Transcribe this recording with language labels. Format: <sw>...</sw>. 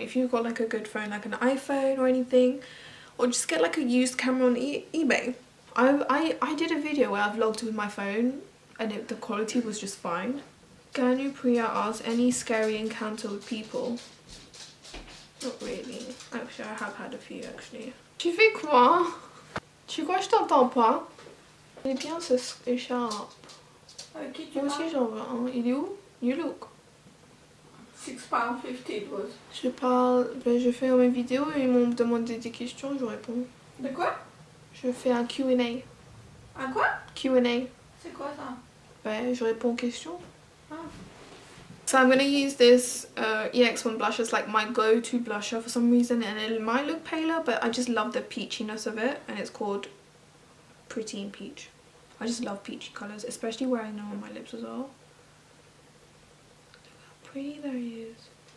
<en>If you've got like a good phone, like an iPhone or anything, or just get like a used camera on eBay. I did a video where I vlogged with my phone and the quality was just fine. Ganu Priya asked, any scary encounter with people? Not really. Actually, I have had a few, actually.</en> <fr>Tu fais quoi? Tu crois que je t'entends pas? Il est bien ce écharpe. Avec qui tu Moi aussi j'en veux un. Il est où?</fr> <en>You look. £6.50 it was.</en> <fr>Je parle, ben je fais mes vidéos et ils m'ont demandé des questions, je réponds. De quoi? Je fais un Q&A. Un quoi? Q&A. C'est quoi ça? Ben je réponds aux questions.</fr> <en>So I'm going to use this EX1 blush as like my go-to blusher for some reason, and it might look paler, but I just love the peachiness of it, and it's called Pretty in Peach. I just love peachy colours, especially where I know on my lips as well. Look how pretty that is.</en>